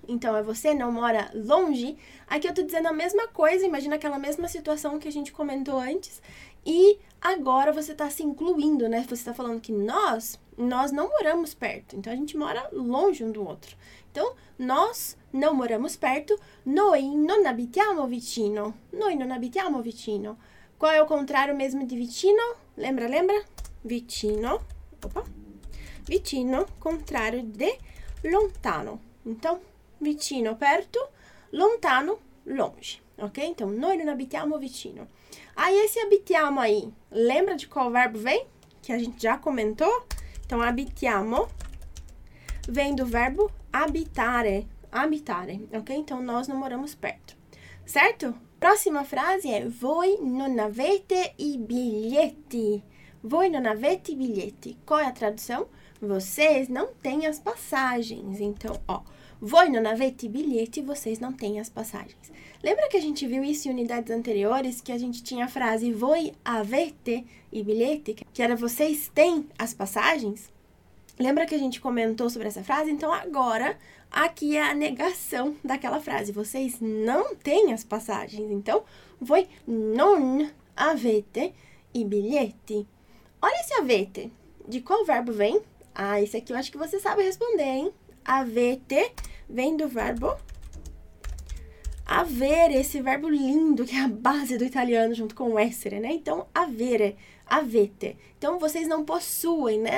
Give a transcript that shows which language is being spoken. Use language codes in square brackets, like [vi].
[pt] Então é você não mora longe. Aqui eu tô dizendo a mesma coisa, imagina aquela mesma situação que a gente comentou antes. E agora você está se incluindo, né? Você está falando que nós não moramos perto. Então a gente mora longe um do outro. Então, nós não moramos perto. [it] Noi non abitiamo vicino. Noi non abitiamo vicino. [pt] Qual é o contrário mesmo de vicino? Lembra, lembra? Vicino. Opa. Vicino, contrário de lontano. Então, vicino, perto. Lontano, longe. Ok? Então, [it] noi non abitiamo vicino. [pt] Aí, esse abitiamo aí, lembra de qual verbo vem? Que a gente já comentou. Então, abitiamo vem do verbo abitare. Abitare, ok? Então, nós não moramos perto. Certo? Próxima frase é: [it] voi non avete i biglietti. Voi non avete i biglietti. [pt] Qual é a tradução? Vocês não têm as passagens. Então, ó. [it] Voi non avete i biglietti, [pt] vocês não têm as passagens. Lembra que a gente viu isso em unidades anteriores, que a gente tinha a frase [it] voi avete i biglietti, [pt] que era vocês têm as passagens? Lembra que a gente comentou sobre essa frase? Então, agora, aqui é a negação daquela frase. Vocês não têm as passagens. [it] Então, voi non avete i biglietti. [pt] Olha esse avete. De qual verbo vem? Ah, esse aqui eu acho que você sabe responder, hein? Avete vem do verbo avere, esse verbo lindo que é a base do italiano junto com o essere, né? Então, avere, avete. Então, vocês não possuem, né?